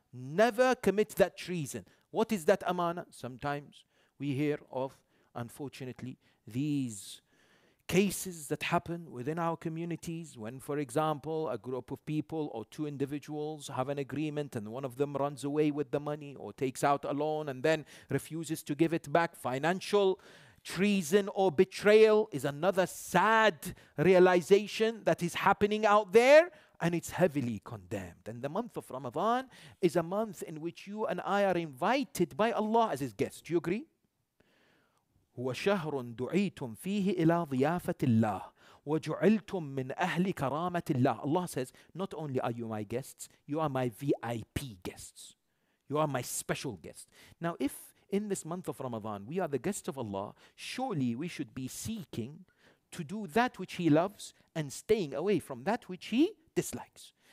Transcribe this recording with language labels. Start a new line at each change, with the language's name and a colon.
English: Never commit that treason. What is that amana? Sometimes we hear of, unfortunately, these cases that happen within our communities when, for example, a group of people or two individuals have an agreement and one of them runs away with the money or takes out a loan and then refuses to give it back. Financial treason or betrayal is another sad realization that is happening out there, and it's heavily condemned. And the month of Ramadan is a month in which you and I are invited by Allah as his guests. Do you agree?
Arabic: وَشَهْرٌ دُعِيتُمْ فِيهِ إِلَىٰ ضِيَافَةِ اللَّهِ وَجُعِلْتُمْ مِنْ أَهْلِ كَرَامَةِ اللَّهِ.
English: Allah says, not only are you my guests, you are my VIP guests. You are my special guest. Now, if in this month of Ramadan, we are the guests of Allah, surely we should be seeking to do that which He loves and staying away from that which He dislikes.